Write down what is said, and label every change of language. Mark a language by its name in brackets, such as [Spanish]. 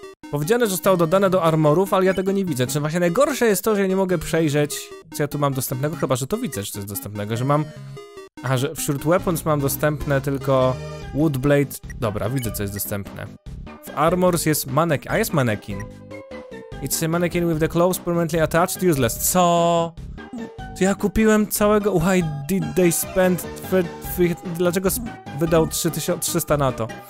[Polish] Powiedziane, że zostało dodane do armorów, ale ja tego nie widzę. Czy właśnie najgorsze jest to, że ja nie mogę przejrzeć, co ja tu mam dostępnego? Chyba, że to widzę, że to jest dostępnego, że mam... Aha, że wśród weapons mam dostępne tylko... Woodblade, dobra, widzę co jest dostępne. W Armors jest manekin, a jest manekin. [English] It's a mannequin with the clothes permanently attached, useless. [Polish] Co? To ja kupiłem całego, [English] why did they spend [Polish] dlaczego wydał 3300 na to?